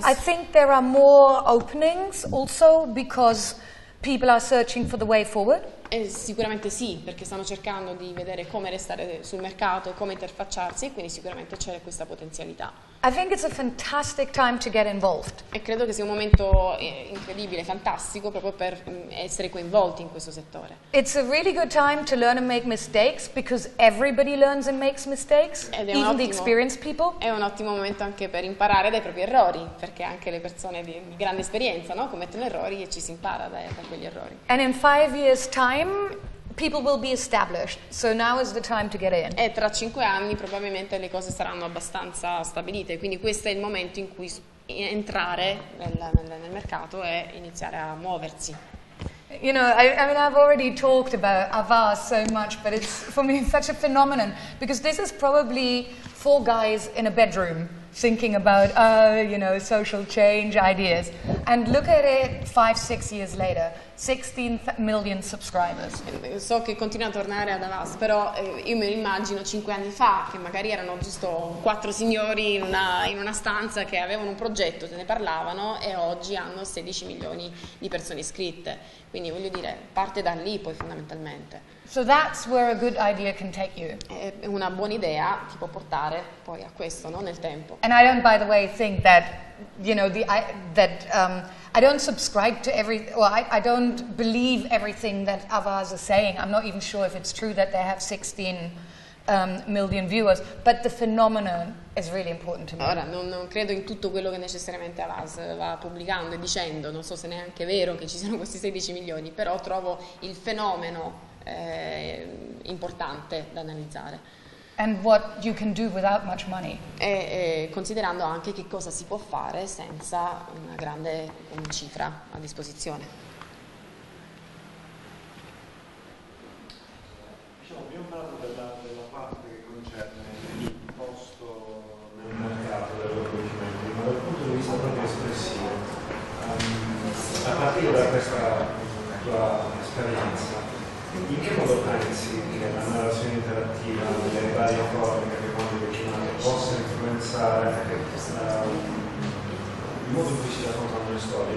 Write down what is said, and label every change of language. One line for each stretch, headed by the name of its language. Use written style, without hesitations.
English: I think there are more openings also because people are searching for the way forward.
Italian: Sicuramente sì, perché stanno cercando di vedere come restare sul mercato, come interfacciarsi, quindi sicuramente c'è questa potenzialità.
English: I think it's a fantastic time to get involved.
Italian: E credo che sia un momento incredibile, fantastico, proprio per essere coinvolti in questo settore.
English: It's a really good time to learn and make mistakes, because everybody learns and makes mistakes, even the experienced people.
Italian: È un ottimo momento anche per imparare dai propri errori, perché anche le persone di grande esperienza, no, commettono errori e ci si impara da quegli errori.
English: And in 5 years' time, people will be established, so now is the time to get in.
Italian: E tra 5 anni probabilmente le cose saranno abbastanza stabilite, quindi questo è il momento in cui entrare nel mercato e iniziare a muoversi.
English: You know, I mean, I've already talked about Avar so much, but it's for me such a phenomenon, because this is probably 4 guys in a bedroom thinking about, you know, social change ideas. And look at it 5-6 years later, 16 million subscribers.
Italian: So che continua a tornare ad Avas, però io me lo immagino 5 anni fa, che magari erano giusto 4 signori in una stanza che avevano un progetto, se ne parlavano, e oggi hanno 16 milioni di persone iscritte. Quindi voglio dire, parte da lì poi fondamentalmente.
English: So that's where a good idea can take you.
Italian: Una buona idea ti può portare poi a questo, no, nel tempo.
English: And I don't, by the way, think that, you know, I don't subscribe to every, well, I don't believe everything that Avaz is saying. I'm not even sure if it's true that they have 16 million viewers, but the phenomenon is really important to me.
Italian: Ora, non credo in tutto quello che necessariamente Avaz va pubblicando e dicendo, non so se neanche è vero che ci siano questi 16 milioni, però trovo il fenomeno importante da analizzare.
English: And what you can do without much money.
Italian: E considerando anche che cosa si può fare senza una grande cifra a disposizione. Diciamo, abbiamo parlato della parte che concerne il posto nel mercato del riconoscimento, ma dal punto di vista proprio espressivo, a partire da questa tua esperienza, in che modo pensi che la narrazione interattiva delle varie forme che abbiamo declinato possa influenzare il modo in cui si raccontano le storie?